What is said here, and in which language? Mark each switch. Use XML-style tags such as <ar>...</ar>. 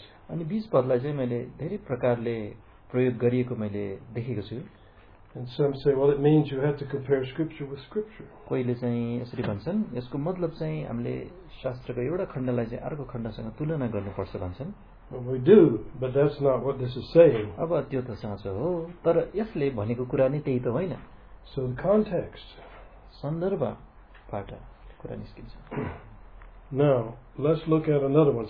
<ne>अनि 20 पदलाई चाहिँ मैले धेरै प्रकारले प्रयोग गरिएको मैले देखेको छु.</ne> <en>And some say, well, it means you have to compare scripture with scripture.</en> <ne>कोहीले चाहिँ यसरी भन्छन् यसको मतलब चाहिँ हामीले शास्त्रको एउटा खण्डलाई चाहिँ अर्को खण्डसँग तुलना गर्नुपर्छ भन्छन्.</ne> <en>We do, but that's not what this is saying.</en> <ne>अब त्यो त साँचो हो तर यसले भनेको कुरा नै त्यही त होइन.</ne> <en>So the context.</en> <ne>सन्दर्भबाट कुरा निस्किन्छ.</ne> <en>Now, let's look at another one.</en>